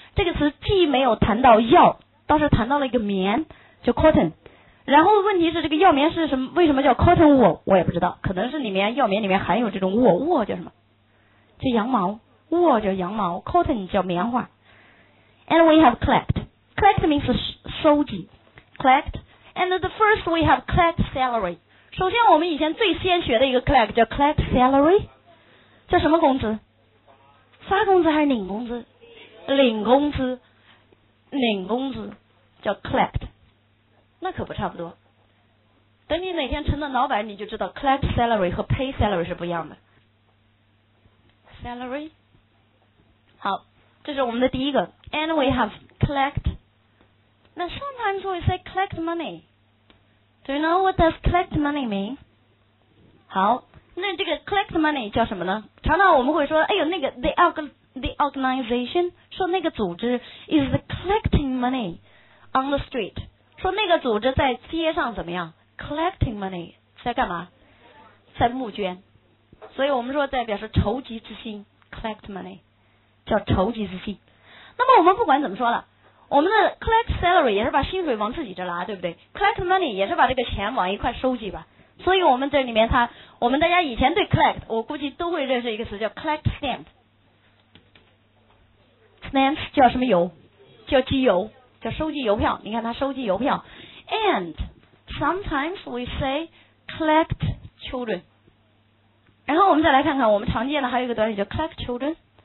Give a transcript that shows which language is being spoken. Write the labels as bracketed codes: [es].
[zh] 这个词既没有谈到药，倒是谈到了一个棉，叫 cotton。然后问题是这个药棉是什么？为什么叫 cotton wool？ 我也不知道，可能是里面药棉里面含有这种 wool， wool 叫什么？就羊毛，握着羊毛 ，cotton 叫棉花。 [en] And we have collect. Collect means [zh] 收集 [en] collect. And the first we have collect salary. [zh] 首先我们以前最先学的一个 collect 叫 collect salary， 叫什么工资？发工资还是领工资？领工资，领工资叫 collect， 那可不差不多。等你哪天成了老板，你就知道 collect salary 和 pay salary 是不一样的。 Salary， 好，这是我们的第一个。 [en] And we have collect. Now sometimes we say collect money. Do you know what does collect money mean? [zh] 好，那这个 collect money 叫什么呢？常常我们会说，哎呦，那个 the organization 说那个组织 [en] is collecting money on the street. [zh] 说那个组织在街上怎么样？ Collecting money 在干嘛？在募捐，所以我们说在表示筹集之心 ，collect money 叫筹集之心。那么我们不管怎么说了，我们的 collect salary 也是把薪水往自己这拉，对不对 ？collect money 也是把这个钱往一块收集吧。所以我们这里面它，我们大家以前对 collect， 我估计都会认识一个词叫 collect stamp。 Stamp 叫什么邮？叫机邮，叫收集邮票。你看它收集邮票 ， [en] and。 Sometimes we say collect children. [zh] 然后我们再来看看我们常见的还有一个短语叫 collect children.